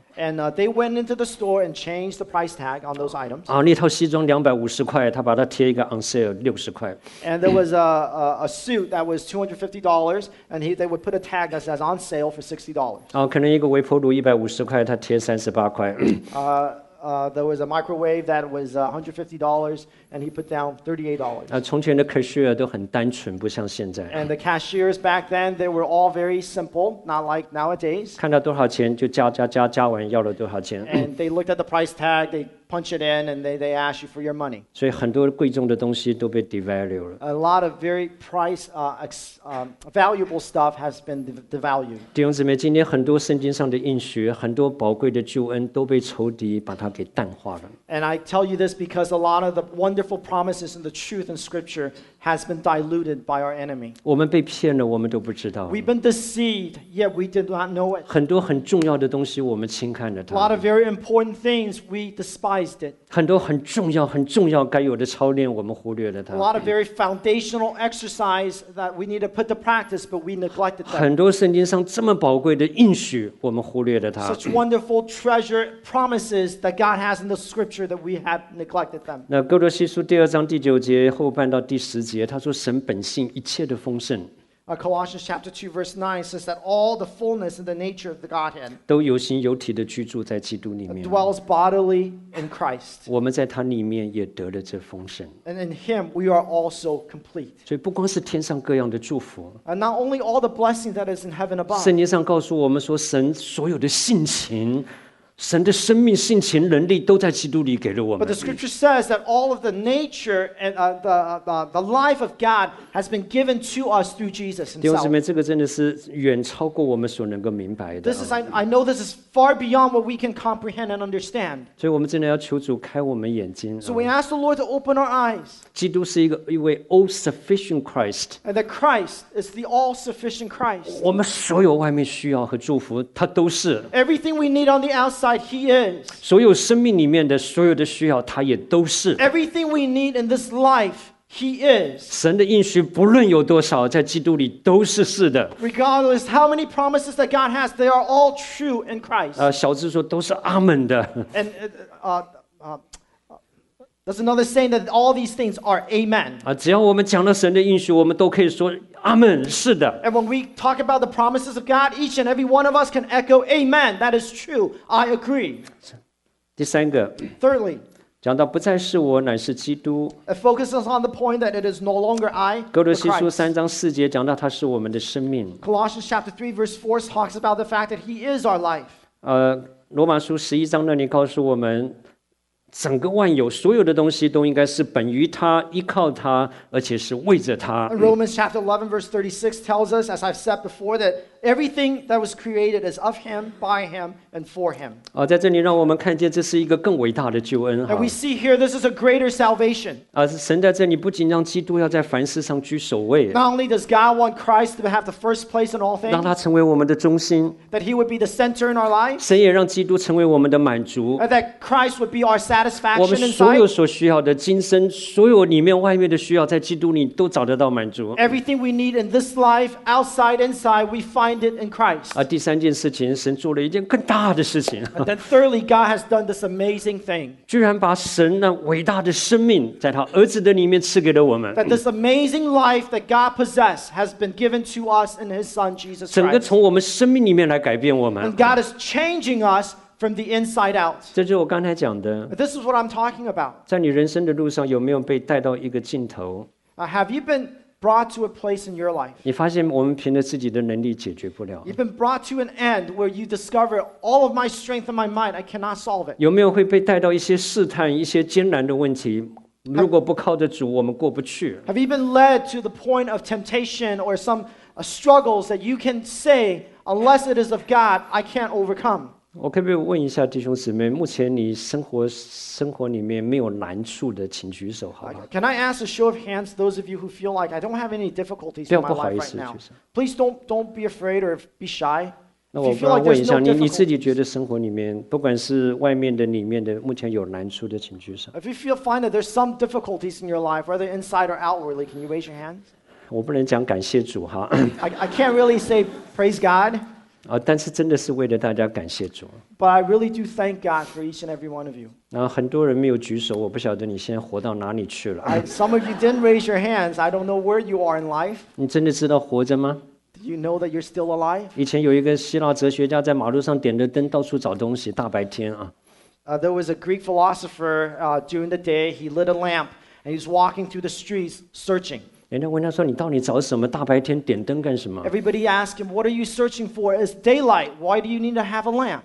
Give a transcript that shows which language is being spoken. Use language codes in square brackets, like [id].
[en] And they went into the store and changed the price tag on those items. [zh] 啊，那套西装250块，他把它贴一个 [en] on sale [zh] 60块。 [en] And there was a suit that was $250, and they would put a tag that says on sale for $60. [zh] 啊，可能一个微波炉150块，他贴38块。 [en] There was a microwave that was $150, and he put down $38. [zh] 从前的 cashier 都很单纯，不像现在。 [en] And the cashiers back then, they were all very simple, not like nowadays. [zh] 看到多少钱就加加加加完，要了多少钱。 [en] And they looked at the price tag, they punch it in, and they ask you for your money. [zh] 所以很多贵重的东西都被 devalued 了。 [en] A lot of very price, valuable stuff has been devalued. [zh] 弟兄姊妹，今天很多圣经上的应许，很多宝贵的救恩都被仇敌把它给淡化了。 [en] And I tell you this because a lot of the wonderful promises and the truth in Scripture has been diluted by our enemy. [zh] 我们被骗了，我们都不知道。 [en] We've been deceived, yet we did not know it. [zh] 很多很重要的东西，我们轻看了它。 [en] A lot of very important things we despised it. [zh] 很多很重要、很重要该有的操练，我们忽略了它。 [en] A lot of very foundational exercise that we need to put to practice, but we neglected them. [zh] 很多圣经上这么宝贵的应许，我们忽略了它。 [en] Such wonderful treasure promises that God has in the Scripture that we have neglected them. [zh] 那哥罗西书第二章第九节后半到第十。他说神本性一切的丰盛 [en] Colossians chapter 2 verse 9 says that all the fullness and the nature of the Godhead [zh] 都有形有体的居住在基督里面 [en] dwells bodily in Christ [zh] 我们在他里面也得了这丰盛 [en] and in him we are also complete [zh] 所以不光是天上各样的祝福 [en] and not only all the blessing that is in heaven above [zh] 圣经上告诉我们说神所有的性情神的生命、性情、能力都在基督里给了我们。 [en] But the scripture says that all of the nature and the life of God has been given to us through Jesus himself. [zh] 弟兄姊妹，这个真的是远超过我们所能够明白的。 [en] This is I know this is far beyond what we can comprehend and understand. [zh] 所以我们真的要求主开我们眼睛。 [en] So we ask the Lord to open our eyes. [zh] 基督是一位 [en] all sufficient Christ. And that Christ is the all sufficient Christ. [zh] 我们所有外面需要和祝福，他都是。 [en] Everything we need on the outside. He is. [zh] 所有生命里面的所有的需要他也都是 [en] Everything we need in this life He is [zh] 神的应许不论有多少在基督里都是是的 [en] Regardless how many promises that God has They are all true in Christ [zh] 小智说都是阿们的 [en] And there's another saying that all these things are Amen [zh] 只要我们讲了神的应许我们都可以说阿们，是的。 [en] And when we talk about the promises of God, each and every one of us can echo, Amen, that is true, I agree. [zh] 第三个。 [en] Thirdly, [zh] 讲到不再是我，乃是基督。 [en] It focuses on the point that it is no longer I, but Christ. [zh] 哥罗西书三章四节讲到他是我们的生命。 [en] Colossians chapter 3 verse 4 talks about the fact that he is our life. [zh] 罗马书十一章那里告诉我们整个万有所有的东西都应该是本于他依靠他而且是为着他 [en] Romans chapter 11 verse 36 tells us as I've said before that everything that was created is of him, by him, and for him. [zh] 哦，在这里让我们看见这是一个更伟大的救恩。 [en] And we see here this is a greater salvation. [zh] 啊，神在这里不仅让基督要在凡事上居首位。 [en] Not only does God want Christ to have the first place in all things. [zh] 让他成为我们的中心。 [en] That he would be the center in our life. [zh] 神也让基督成为我们的满足。 [en] And that Christ would be our satisfaction. [zh] 我们所有所需要的今生，所有里面外面的需要，在基督里都找得到满足。 [en] Everything we need in this life, outside, inside, we find. [zh] 第三件事情，神做了一件更大的事情。 [en] And then thirdly, God has done this amazing thing. [zh] 居然把神那伟大的生命，在他儿子的里面赐给了我们。 [en] That this amazing life that God possessed has been given to us in His Son Jesus Christ. [zh] 整个从我们生命里面来改变我们。 [en] And God is changing us. From the inside out. [zh] 这就是我刚才讲的。 [en] But this is what I'm talking about. [zh] 在你人生的路上，有没有被带到一个尽头？ [en] Have you been brought to a place in your life? [zh] 你发现我们凭着自己的能力解决不了。 [en] You've been brought to an end where you discover all of my strength and my might, I cannot solve it. [zh] 有没有会被带到一些试探、一些艰难的问题？如果不靠着主，我们过不去。 [en] Have you been led to the point of temptation or some struggles that you can say, unless it is of God, I can't overcome? [zh] 我可不可以问一下弟兄姊妹，目前你生活里面没有难处的，请举手，好吗 [en] ？Can I ask a show of hands those of you who feel like I don't have any difficulties in my life right now? Please don't be afraid or be shy. [zh] 那我刚刚问一下，你自己觉得生活里面，不管是外面的、里面的，目前有难处的，请举手。 [en] If you feel fine that there's some difficulties in your life, whether inside or outwardly, can you raise your hands? [zh] 我不能讲感谢主哈。 [en] I can't really say praise God. [zh] 但是真的是为了大家感谢主。 [en] But I really do thank God for each and every one of you. [zh] 然后很多人没有举手，我不晓得你现在活到哪里去了。 [en] Some of you didn't raise your hands. I don't know where you are in life. [zh] 你真的知道活着吗？ [en] You know that you're still alive. [zh] 以前有一个希腊哲学家在马路上点着灯到处找东西，大白天啊。 [en] There was a Greek philosopher during the day. He lit a lamp and he was walking through the streets searching. [zh] 人家问他说：“你到底找什么？大白天点灯干什么 [en] ？”Everybody asked him, "What are you searching for? It's daylight. Why do you need to have a lamp?"